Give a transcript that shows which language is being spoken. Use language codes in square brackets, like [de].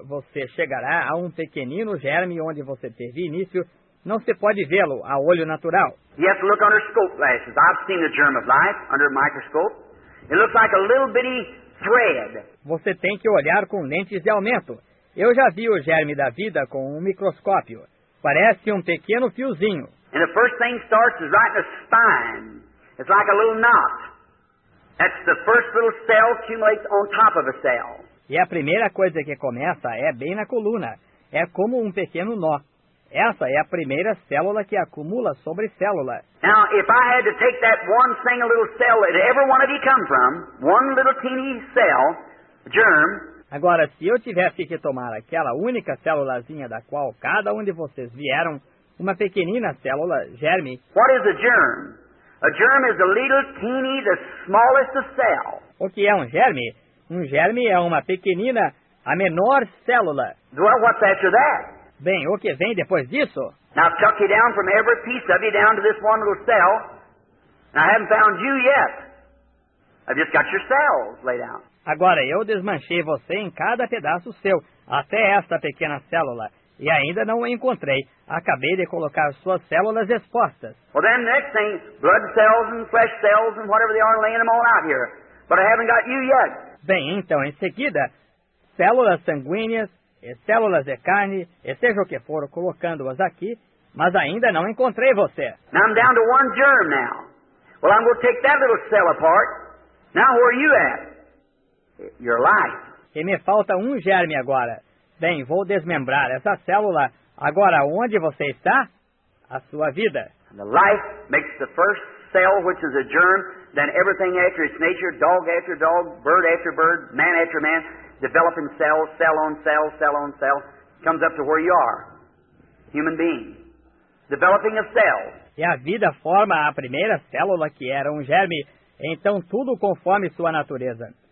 [pt] Você chegará a um pequenino germe onde você teve início. Não se pode vê-lo a olho natural. [en] You have to look under scope lashes. I've seen the germ of life under a microscope. It looks like a little bitty thread. [pt] Você tem que olhar com lentes de aumento. Eu já vi o germe da vida com um microscópio. Parece um pequeno fiozinho. [en] And the first thing starts is right in the spine. It's like a little knot. That's the first little cell accumulates on top of a cell. [pt] E a primeira coisa que começa é bem na coluna. é como um pequeno nó. Essa é a primeira célula que acumula sobre célula. [en] Now, if I had to take that one single little cell that every one of you come from, one little teeny cell, germ. [pt] Agora, se eu tivesse que tomar aquela única célulazinha da qual cada um de vocês vieram, uma pequenina célula, germe. [en] What is a germ? A germ is a little teeny, the smallest cell. [pt] O que é um germe? Um germe é uma pequenina, a menor célula. [en] Well, what's after that? [pt] Bem, o que vem depois disso? [en] Now chuck you down from every piece of you down to this one little cell. And I haven't found you yet. I've just got your cells laid out. [pt] Agora eu desmanchei você em cada pedaço seu, até esta pequena célula, e ainda não a encontrei. Acabei de colocar suas células expostas. [en] Well, then next thing, blood cells and flesh cells and whatever they are, laying them all out here. But I haven't got you yet. [pt] Bem, então em seguida, células sanguíneas. E células de carne, e seja o que for, colocando-as aqui, mas ainda não encontrei você. [en] Now I'm down to one germ now. Well, I'm going to take that little cell apart. Now where are you at? Your life. [pt] E me falta um germe agora. Bem, vou desmembrar essa célula. Agora, onde você está? A sua vida. [en] The life makes the first cell, which is a germ, then everything after its nature, dog after dog, bird after bird, man after man, developing cells, cell on cell, cell on cell, comes up to where you are, human being, developing a cell. [pt] E a vida forma a primeira célula que era um germe, então tudo conforme sua natureza.